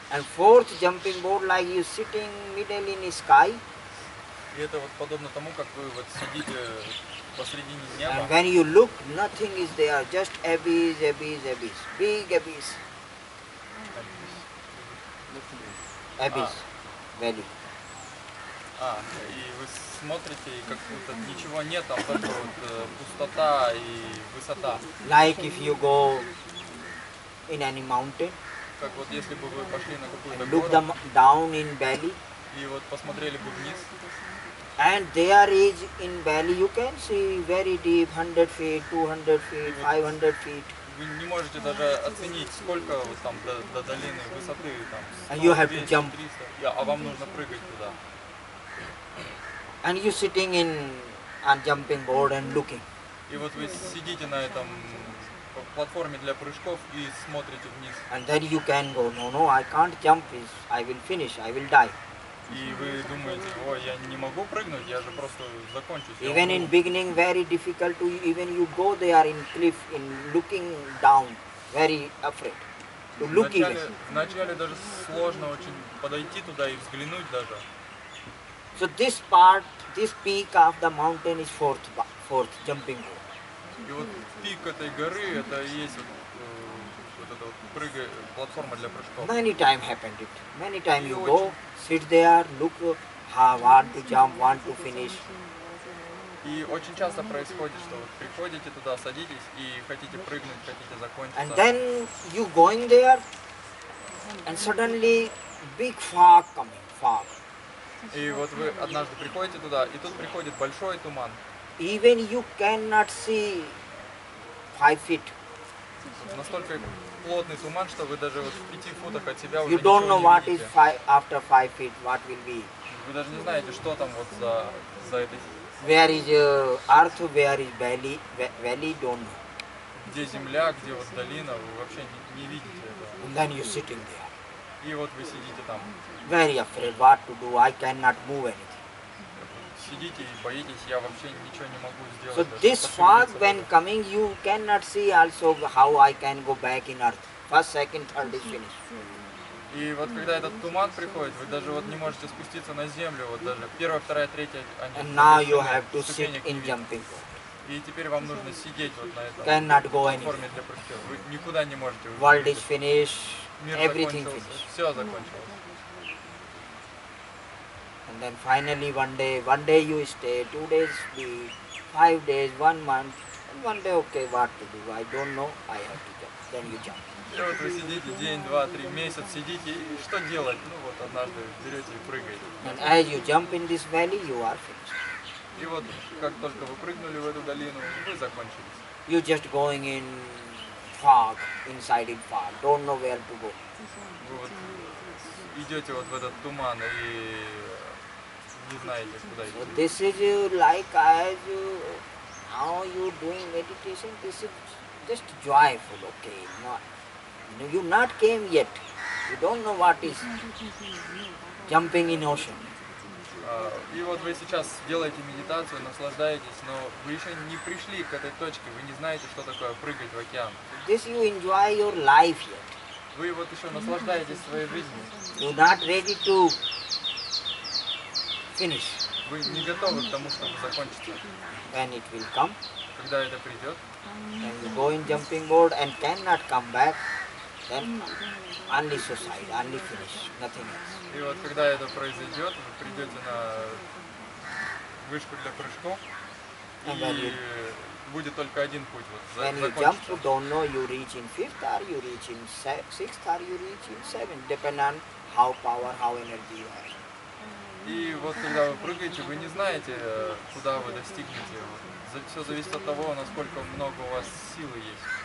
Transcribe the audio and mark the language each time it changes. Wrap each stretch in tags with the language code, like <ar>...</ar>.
<en>And fourth jumping board, like you sitting middle in the sky.</en> <ru>И это вот подобно тому, как вы вот сидите посредине неба.</ru> <en>And when you look, nothing is there, just abyss, big abyss. Abyss, valley.</en> <ru>И вы смотрите, и как будто ничего нет, там только вот пустота и высота.</ru> <en>Like if you go in any mountain.</en> <ru>Как вот если бы вы пошли на какую-то гору.</ru> <en>Look down in valley.</en> <ru>И вот посмотрели бы вниз.</ru> <en>And there is in valley, you can see very deep, 100 feet, 200 feet, 500 feet.</en> <ru>Вы не можете даже оценить, сколько вот там до долины высоты там.</ru> <en>And you have to jump. 300.</en> <ru>Yeah, а вам нужно прыгать туда.</ru> <en>And you sitting in on jumping board and looking.</en> <ru>И вот вы сидите на этом платформе для прыжков и смотрите вниз.</ru> <en>And then you can go, no, I can't jump, I will finish, I will die.</en> <ru>И вы думаете, ой, я не могу прыгнуть, я же просто закончу.</ru> <en>Even in beginning very difficult to even you go there in cliff in looking down very afraid. To look even.</en> <ru>Вначале даже сложно очень подойти туда и взглянуть даже.</ru> <en>So this part, this peak of the mountain is fourth jumping board.</en> <ru>И вот пик этой горы это и есть вот эта прыгающая платформа для прыжков.</ru> <en>Many time happened it. Many time you go. Sit there, look, want to jump, want to finish.</en> <ru>И очень часто происходит, что вы приходите туда, садитесь и хотите прыгнуть, хотите закончить.</ru> <en>And then you going there, and suddenly big fog coming, fog.</en> <ru>И вот вы однажды приходите туда, и тут приходит большой туман.</ru> <en>Even you cannot see 5 feet.</en> <ru>Настолько плотный туман, что вы даже вот в 5 футах от себя</ru> <en>you</en> <ru>уже ничего не видите.</ru> <en>You don't know what is after 5 feet, what will be.</en> <ru>Вы даже не знаете, что там вот за этой.</ru> <en>Where is earth, where is valley, valley don't know.</en> <ru>Где земля, где вот долина, вы вообще не видите этого.</ru> <en>And then you sitting there.</en> <ru>И вот вы сидите там.</ru> <en>Very afraid, what to do, I cannot move anything.</en> <ru>Сидите и боитесь, я вообще ничего не могу сделать.</ru> <en>So this fog when coming, you cannot see also how I can go back in earth. First, second, third is finished.</en> <ru>И вот когда этот туман приходит, вы даже вот не можете спуститься на землю, вот даже первая, вторая, третья, они ступенек.</ru> <en>And now you have to sit in jumping board.</en> <ru>И теперь вам нужно сидеть вот на этом.</ru> <en>Cannot go</en> <ru>платформе для прыжков. Вы никуда не можете.</ru> <en>World is finished. Everything finished.</en> <ru>Все закончилось.</ru> <en>And then finally one day you stay, 2 days, 5 days, 1 month. And one day, okay, what to do? I don't know. I have to jump. Then you jump.</en> <ru>И вот вы сидите день, два, три месяца, сидите, и что делать? Ну вот однажды берете и прыгаете.</ru> <en>And as you jump in this valley, you are finished.</en> <ru>И вот как только вы прыгнули в эту долину, вы закончились.</ru> <en>You're just going in fog, inside in fog, don't know where to go.</en> <ru>Вы вот идете вот в этот туман и не знаете, куда идти.</ru> <en>So this is like as you, how you're doing meditation, this is just joyful, okay? You not came yet. You don't know what is jumping in ocean.</en> <ru>И вот вы сейчас делаете медитацию, наслаждаетесь, но вы еще не пришли к этой точке. Вы не знаете, что такое прыгать в океан.</ru> <en>This you enjoy your life yet.</en> <ru>Вы вот еще наслаждаетесь своей жизнью.</ru> <en>You not ready to finish.</en> <ru>Вы не готовы к тому, чтобы закончиться.</ru> <en>When it will come.</en> <ru>Когда это придет.</ru> <en>And you go in jumping board and cannot come back. Then only suicide, only finish, nothing else.</en> <ru>И вот когда это произойдет, вы придете на вышку для прыжков, and и будет только один путь, вот, закончится.</ru> <en>When you jump, you don't know you reach in fifth or you reach in sixth or you reach in seventh, depending on how power, how energy you have.</en> <ru>И вот когда вы прыгаете, вы не знаете, куда вы достигнете. Вот. Все зависит от того, насколько много у вас силы есть.</ru>